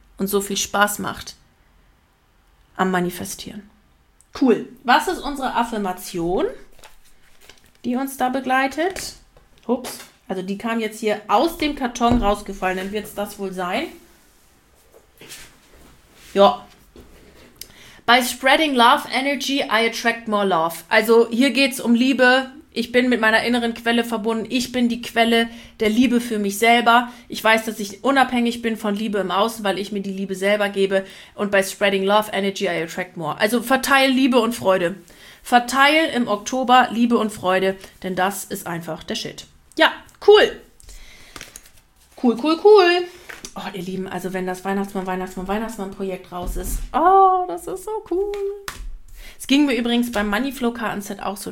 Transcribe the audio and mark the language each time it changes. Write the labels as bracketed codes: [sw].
[de] Und so viel Spaß macht am Manifestieren. Cool. Was ist unsere Affirmation, die uns da begleitet? Ups. Also die kam jetzt hier aus dem Karton rausgefallen. Dann wird es das wohl sein. Ja. [en] By spreading love energy, I attract more love. [de] Also hier geht's um Liebe. Ich bin mit meiner inneren Quelle verbunden. Ich bin die Quelle der Liebe für mich selber. Ich weiß, dass ich unabhängig bin von Liebe im Außen, weil ich mir die Liebe selber gebe. Und [en] by spreading love energy, I attract more. [de] Also verteil Liebe und Freude. Verteil im Oktober Liebe und Freude, denn das ist einfach der Shit. Ja, cool. Cool, cool, cool. Oh, ihr Lieben, also wenn das Weihnachtsmann-Weihnachtsmann-Weihnachtsmann-Projekt raus ist. Oh, das ist so cool. Es ging mir übrigens beim Moneyflow-Kartenset auch so.